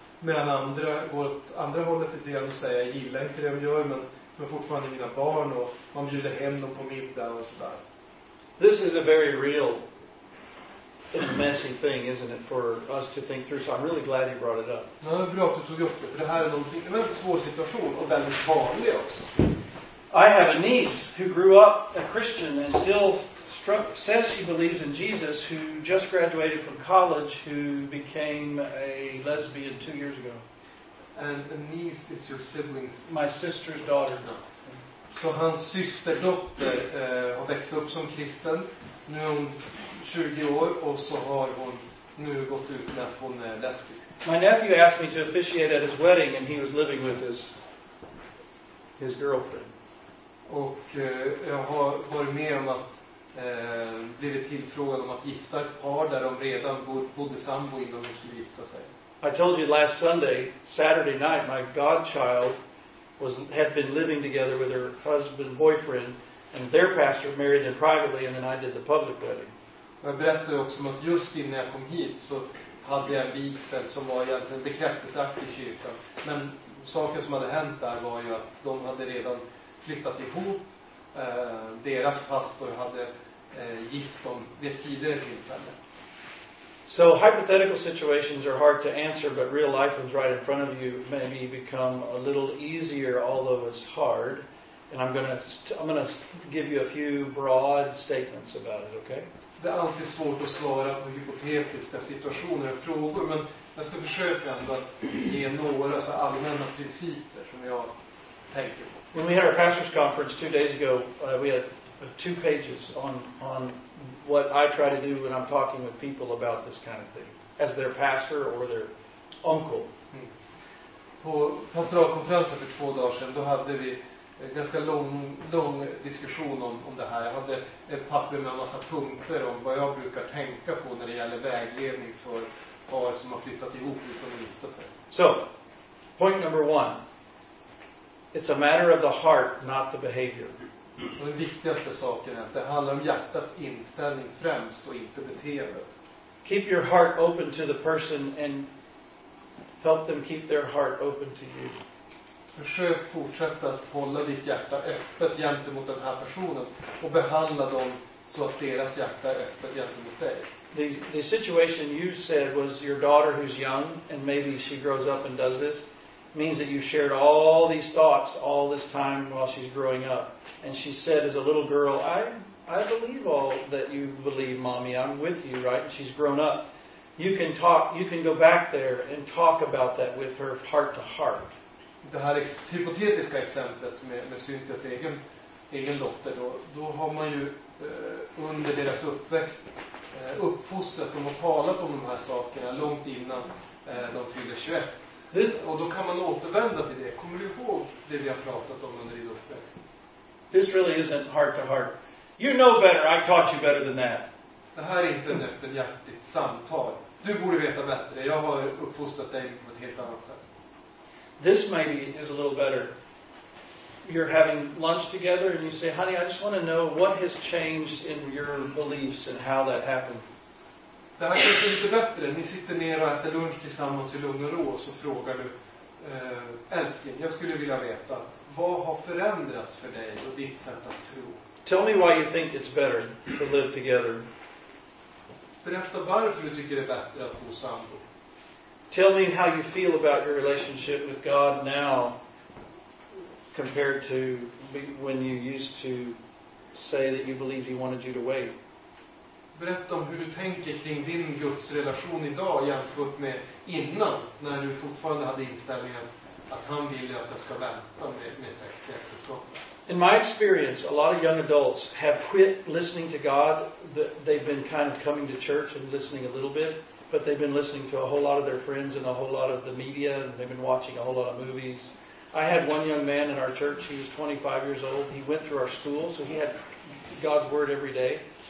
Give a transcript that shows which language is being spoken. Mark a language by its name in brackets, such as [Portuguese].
[Swedish] Medan andra går åt andra hållet lite grann och säger jag gillar inte det du gör, men du har fortfarande mina barn och man bjuder hem dem på middag och sådär. [English] This is a very real and messy thing, isn't it, for us to think through, so I'm really glad you brought it up. [Swedish] Ja, det är bra att du tog upp det, för det här är någonting, en väldigt svår situation och väldigt vanlig också. [English] I have a niece who grew up a Christian and still says she believes in Jesus, who just graduated from college, who became a lesbian 2 years ago. And a niece is your sibling's... My sister's daughter. No. [Swedish] Så hans systerdotter har växt upp som kristen. Nu är hon 20 år och så har hon nu gått ut med att hon är lesbisk. [English] My nephew asked me to officiate at his wedding and he was living with his girlfriend. [Swedish] Och jag har varit med om att blivit tillfrågad om att gifta ett par där de redan bodde sambo innan de skulle gifta sig. [English] I told you last Sunday, Saturday night, my godchild had been living together with her husband, boyfriend, and their pastor married them privately, and then I did the public wedding. [Swedish] Jag berättade också om att just innan jag kom hit så hade jag en vigsel som var egentligen bekräftelseakt i kyrkan. Men saken som hade hänt där var ju att de hade redan flyttat ihop. Deras pastor hade gift dem vid tidigare tillfälle. [English] So hypothetical situations are hard to answer, but real life ones right in front of you maybe become a little easier, although it's hard. And I'm gonna give you a few broad statements about it, okay? [Swedish] Det är alltid svårt att svara på hypotetiska situationer och frågor, men jag ska försöka ändå att ge några så allmänna principer som jag tänker på. [English] When we had our pastor's conference 2 days ago, we had 2 pages on what I try to do when I'm talking with people about this kind of thing, as their pastor or their uncle. [Swedish] På pastoralkonferensen för 2 dagar sedan, då hade vi en ganska lång diskussion om det här. Jag hade ett papper med en massa punkter om vad jag brukar tänka på när det gäller vägledning för par som har flyttat ihop utan att gifta sig. [English] So, point number one. It's a matter of the heart, not the behavior. [Swedish] Och den viktigaste saken är att det handlar om hjärtats inställning främst och inte beteendet. [English] Keep your heart open to the person and help them keep their heart open to you. [Swedish] Försök fortsätta att hålla ditt hjärta öppet gentemot den här personen och behandla dem så att deras hjärta är öppet gentemot dig. [English] The situation you said was your daughter who's young and maybe she grows up and does this. Means that you shared all these thoughts all this time while she's growing up. And she said as a little girl, I believe all that you believe, mommy. I'm with you, right? And she's grown up. You can go back there and talk about that with her heart to heart. [Swedish] Det här hypotetiska exemplet med Cynthias egen dotter, då har man ju under deras uppväxt uppfostrat dem och talat om de här sakerna långt innan de fyller 21. Och då kan man återvända till det. Kommer du ihåg det vi har pratat om under din uppväxt? [English] This really isn't heart to heart. You know better. I taught you better than that. [Swedish] Det här är inte en öppenhjärtigt samtal. Du borde veta bättre. Jag har uppfostrat dig på ett helt annat sätt. [English] This maybe is a little better. You're having lunch together and you say, honey, I just want to know what has changed in your beliefs and how that happened. [Swedish] Det här kanske är lite bättre. Ni sitter ner och äter lunch tillsammans i lugn och ro och så frågar du, älskling, jag skulle vilja veta, vad har förändrats för dig och ditt sätt att tro? [English] Tell me why you think it's better to live together. [Swedish] Berätta varför du tycker det är bättre att bo sambo. [English] Tell me how you feel about your relationship with God now compared to when you used to say that you believed he wanted you to wait. [Swedish] Berätta om hur du tänker kring din gudsrelation idag jämfört med innan, när du fortfarande hade inställningen att han ville att jag ska vänta med sex i äktenskap. [English] In my experience, a lot of young adults have quit listening to God. They've been kind of coming to church and listening a little bit, but they've been listening to a whole lot of their friends and a whole lot of the media, and they've been watching a whole lot of movies. I had one young man in our church. He was 25 years old. He went through our school, so he had God's word every day.